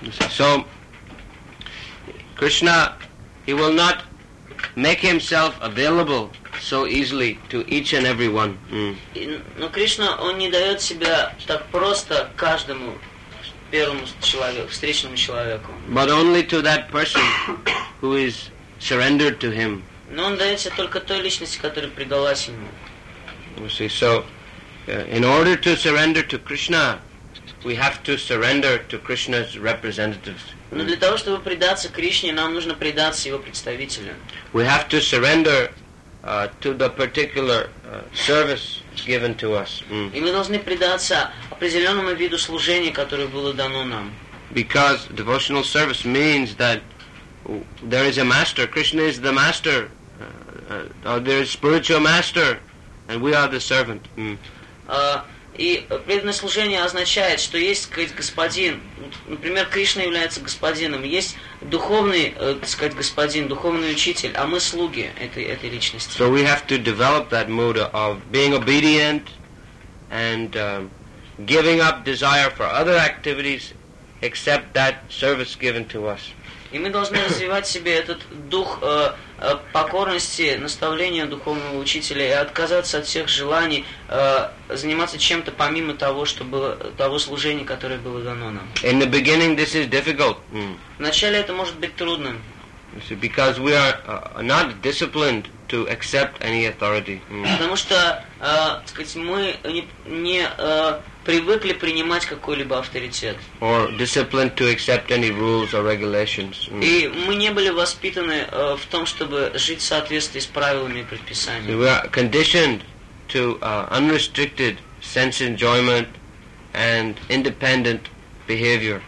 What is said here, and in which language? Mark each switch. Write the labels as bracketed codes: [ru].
[en] So Krishna, he will not make himself available so easily to each and every one. [ru] Но Кришна, он не дает себя так просто каждому первому человеку, встречному человеку. [en] But only to that person who is surrendered to him. [ru] Но он дается только той личности, которая предалась ему. [en] You see, so in order to surrender to Krishna, we have to surrender to Krishna's representatives. [ru] Но для того, чтобы предаться Кришне, нам нужно предаться его представителю. [en] We have to surrender to the particular service given to us. [ru] И мы должны предаться определенному виду служения, которое было дано нам. [en] Because devotional service means that there is a master. Krishna is the master. There is spiritual master, and we are the servant. [ru] И преданное служение означает, что есть, сказать, господин. Например, Кришна является господином. Есть духовный, сказать, господин, духовный учитель, а мы слуги этой личности. [en] So we have to develop that mood of being obedient and giving up desire for other activities accept that service given to us. [ru] И мы должны развивать себе этот дух покорности наставления духовного учителя и отказаться от всех желаний заниматься чем-то помимо того, что было, того служения, которое было дано нам. [en] In the beginning this is difficult. [ru] Вначале это может быть трудным. [en] Because we are not disciplined to accept any authority. [ru] Потому что, так сказать, мы не привыкли принимать какой-либо авторитет. [en] Or disciplined to accept any rules or regulations. [ru] И мы не были воспитаны в том, чтобы жить в соответствии с правилами и предписаниями. [en] We are conditioned to unrestricted sense enjoyment and independent behavior.